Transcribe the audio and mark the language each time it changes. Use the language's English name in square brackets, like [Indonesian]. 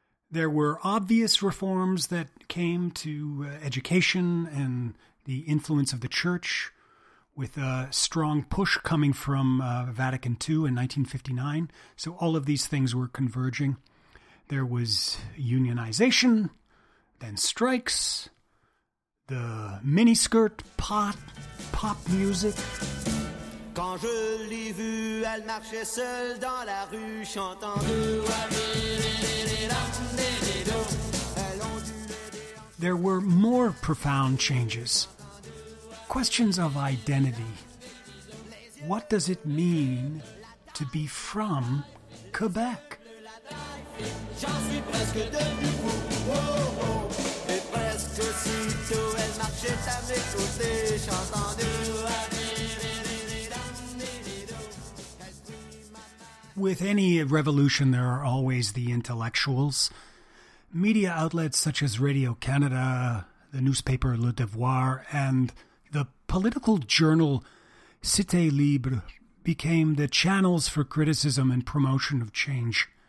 [English] There were obvious reforms that came to education and the influence of the church, with a strong push coming from Vatican II in 1959. So all of these things were converging. There was unionization, then strikes, the miniskirt pop music. [French] Quand je l'ai vue, elle marchait seule dans la rue, chantant de [English] There were more profound changes. Questions of identity. What does it mean to be from Quebec? [French] J'en suis presque debout, oh oh. Et presque aussitôt elle marchait à mes côtés, chantant de la [English] With any revolution, there are always the intellectuals. Media outlets such as Radio Canada, the newspaper Le Devoir, and the political journal Cité Libre became the channels for criticism and promotion of change.